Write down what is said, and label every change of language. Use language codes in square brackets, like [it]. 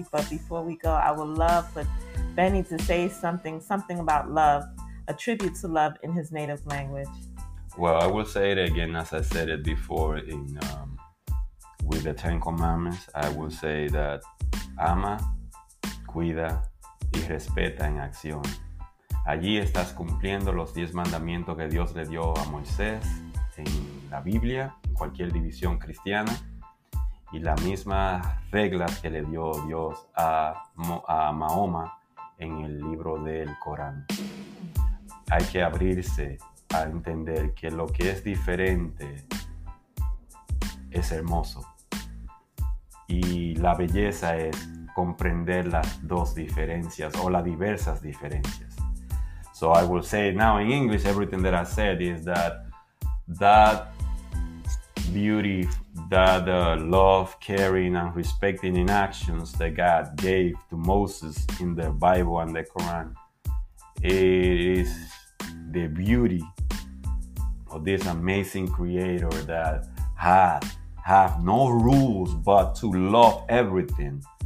[en] But before we go, I would love for Benny to say something about love, a tribute to love in his native language. Well, I will say it again, as I said it before, with the Ten Commandments, I will say that [es] ama, cuida, y respeta en acción. Allí estás cumpliendo los 10 mandamientos que Dios le dio a Moisés en la Biblia, en cualquier división cristiana, y las mismas reglas que le dio Dios a Mahoma en el libro del Corán. Hay que abrirse a entender que lo que es diferente es hermoso. Y la belleza es comprender las dos diferencias o las diversas diferencias. [en] So I will say now in English, everything that I said is that beauty, that love, caring, and respecting in actions that God gave to Moses in the Bible and the Quran, it is the beauty of this amazing creator that have no rules but to love everything.